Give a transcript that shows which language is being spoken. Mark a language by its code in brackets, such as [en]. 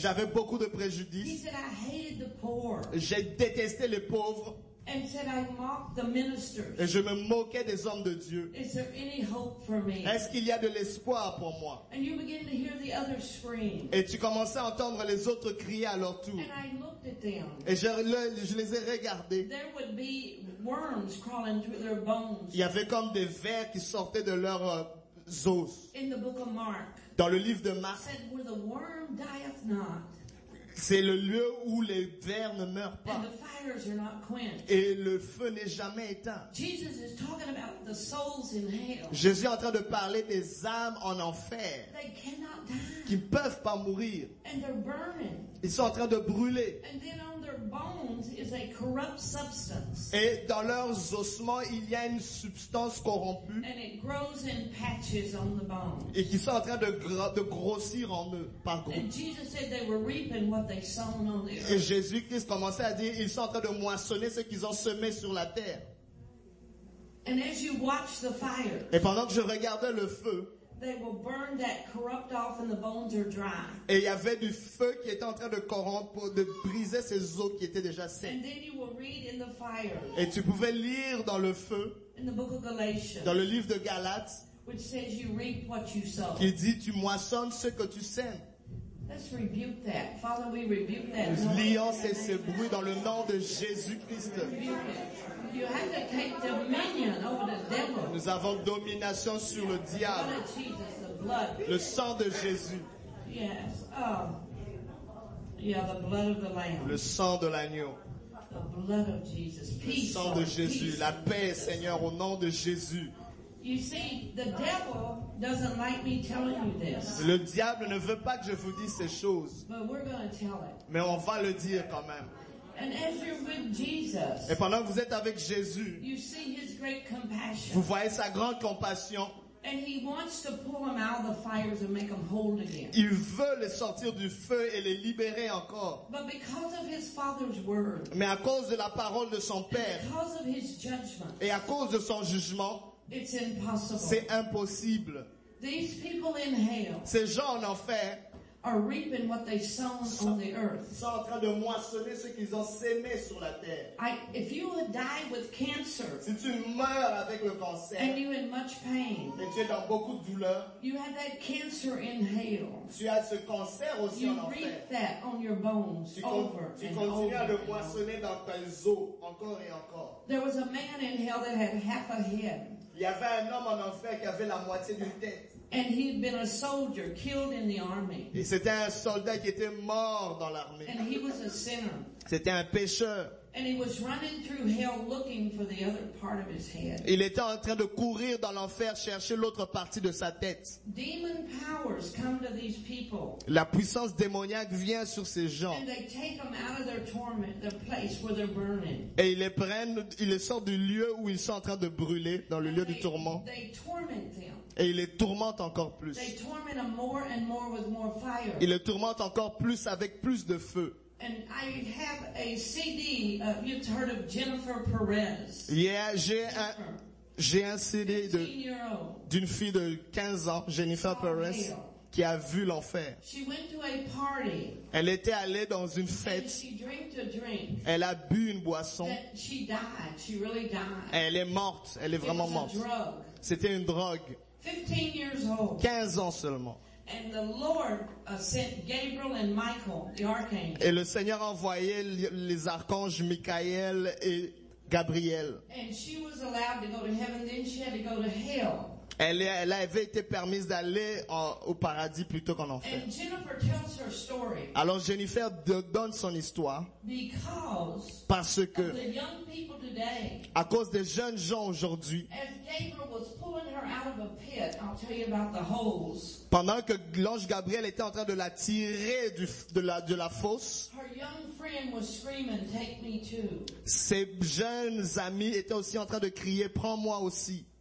[fr] J'avais beaucoup de préjudices. [en] He said, I hated the poor. [fr] J'ai détesté les pauvres. [en] And said, I mocked the ministers. [fr] Et je me moquais des hommes de Dieu. [en] Is there any hope for me? [fr] Est-ce qu'il y a de l'espoir pour moi? [en] And you begin to hear the other scream. [fr] Et tu commençais à entendre les autres crier à leur tour. [en] And I looked at them. [fr] Et je les ai regardés. [en] There would be worms crawling through their bones. [fr] Il y avait comme des vers qui sortaient de leurs os. [en] In the book of Mark. [fr] Dans le livre de Marc. [en] Said, where the worm dieth not. [fr] C'est le lieu où les vers ne meurent pas. [en] And the fires are not quenched. [fr] Et le feu n'est jamais éteint. [en] Jesus is talking about the souls in hell. [fr] Jésus est en train de parler des âmes en enfer. [en] They cannot die. [fr] Qui ne peuvent pas mourir. [en] And they're burning. [fr] Ils sont en train de brûler. [en] And then on their bones is a corrupt substance. [fr] Et dans leurs ossements, il y a une substance corrompue. [en] And it grows in patches on the bones. [fr] Et qui sont en train de grossir en eux, par groupe. [en] And Jesus said they were reaping what they sown on the earth. [fr] Et Jésus-Christ commençait à dire, ils sont en train de moissonner ce qu'ils ont semé sur la terre. [en] And as you watch the fire, [fr] et pendant que je regardais le feu, [en] they will burn that corrupt off and the bones are dry. [fr] Et il y avait du feu qui était en train de corrompre, de briser ces os qui étaient déjà secs. [en] And then you will read in the fire. [fr] Et tu pouvais lire dans le feu. [en] In the book of Galatians. [fr] Dans le livre de Galates. [en] Which says you reap what you sow. [fr] Qui dit tu moissonnes ce que tu sèmes. [en] Let's rebuke that. Father, we rebuke that. [fr] Nous lions ce bruit dans le nom de Jésus-Christ. [en] You have to take dominion over the devil. [fr] Nous avons domination sur le diable. [en] The blood of Jesus, the blood. [fr] Le sang de Jésus. [en] Yes. Oh. Yeah, the blood of the lamb. [fr] Le sang de l'agneau. [en] The blood of Jesus. [fr] Le sang de Jésus. La paix, Seigneur, au nom de Jésus. [en] You see, the devil doesn't like me telling you this. [fr] Le diable ne veut pas que je vous dise ces choses. [en] But we're going to tell it. [fr] Mais on va le dire quand même. [en] And as you're with Jesus, [fr] et pendant que vous êtes avec Jésus, [en] you see his great compassion. [fr] Vous voyez sa grande compassion. [en] And he wants to pull them out of the fires and make them whole again. [fr] Il veut les sortir du feu et les libérer encore. [en] But because of his father's word, [fr] mais à cause de la parole de son père, [en] and because of his judgment, [fr] et à cause de son jugement, [en] it's impossible. [fr] C'est impossible. [en] These people in hell, [fr] ces gens en enfer, [en] are reaping what they sown on the earth. [fr] Sont en train de moissonner ce qu'ils ont semé sur la terre. [en] If you would die with cancer, [fr] si tu meurs avec le cancer, [en] and you in much pain, [fr] et tu es dans beaucoup de douleur, [en] you have that cancer in hell. [fr] Tu as ce cancer aussi [en] you [fr] en enfer. [en] You reap that on your bones over and over. [fr] Tu continues à le moissonner dans tes os encore et encore. [en] There was a man in hell that had half a head. [fr] Il y avait un homme en enfer qui avait la moitié d'une tête. [en] And he'd been a soldier killed in the army. [fr] Et c'était un soldat qui était mort dans l'armée. [en] And he was a sinner. [fr] C'était un pécheur. [en] And he was running through hell looking for the other part of his head. [fr] Il était en train de courir dans l'enfer chercher l'autre partie de sa tête. [en] Demon powers come to these people. [fr] La puissance démoniaque vient sur ces gens. [en] And they take them out of their torment, the place where they're burning. [fr] Et ils les prennent, ils les sortent du lieu où ils sont en train de brûler, dans le lieu du tourment. [en] They torment them. [fr] Et il les tourmente encore plus. [en] They torment them more and more with more fire. [fr] Il les tourmente encore plus avec plus de feu. [en] And I have a CD. You've heard of Jennifer Perez? [fr] Yeah, j'ai un CD de d'une fille de 15 ans, Jennifer Perez, qui a vu l'enfer. [en] She went to a party. [fr] Elle était allée dans une fête. [en] And she drank a drink. [fr] Elle a bu une boisson. [en] And she died. She really died. [fr] Elle est morte. Elle est vraiment morte. [en] It was a drug. [fr] C'était une drogue. [en] 15 years old. [fr] 15 ans seulement. [en] And the Lord sent Gabriel and Michael, the archangels. [fr] Et le Seigneur envoyait les archanges Michael et Gabriel. [en] And she was allowed to go to heaven, then she had to go to hell. [fr] Elle avait été permise d'aller au paradis plutôt qu'en enfer. [en] And Jennifer tells her story. [fr] Alors Jennifer donne son histoire. [en] Because [fr] parce que [en] of the young people today, [fr] à cause des jeunes gens aujourd'hui, [en] as Gabriel was pulling her out of a pit, I'll tell you about the holes. [fr] Pendant que l'ange Gabriel était en train de la tirer de la fosse, [en] her young friend was screaming, take me too. [fr] Ses jeunes amis étaient aussi en train de crier, prends-moi aussi.